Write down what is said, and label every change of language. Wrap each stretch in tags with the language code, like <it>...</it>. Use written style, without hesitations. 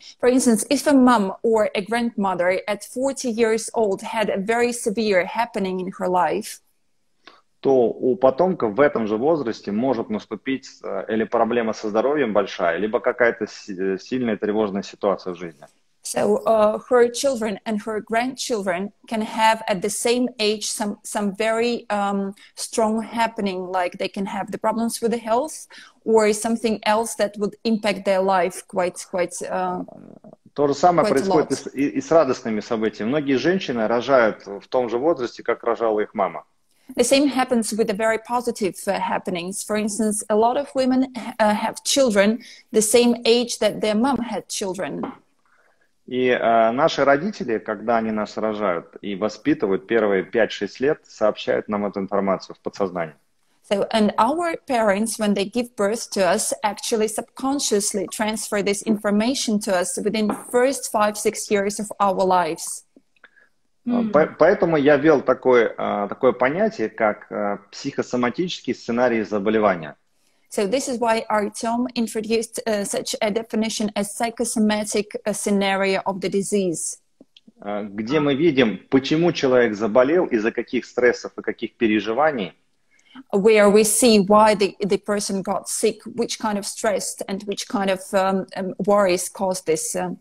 <en>For instance, if a mom or a grandmother at 40 years old had a very severe happening in her life,</en> <ru>то у потомка в этом же возрасте может наступить или проблема со здоровьем большая, либо какая-то сильная тревожная ситуация в жизни.</ru> <en>So her children and her grandchildren can have at the same age some very strong happening, like they can have the problems with the health or something else that would impact their life quite</en> <ru>То же самое происходит и с радостными событиями. Многие женщины рожают в том же возрасте, как рожала их мама.</ru> <en>The same happens with the very positive happenings. For instance, a lot of women have children the same age that their mom had children.</en> <ru>И наши родители, когда они нас рожают и воспитывают первые 5-6 лет, сообщают нам эту информацию в подсознании.</ru> <en>So, and our parents, when they give birth to us, actually subconsciously transfer this information to us within first 5-6 years of our lives.</en> <ru>Поэтому я ввел такое понятие, как психосоматический сценарий заболевания.</ru> <en>So this is why Artem introduced such a definition as psychosomatic scenario of the disease.</en> <ru>Где мы видим, почему человек заболел, из-за каких стрессов и каких переживаний.</ru> <en>Where we see why the person got sick, which kind of stress and which kind of worries caused this.</en>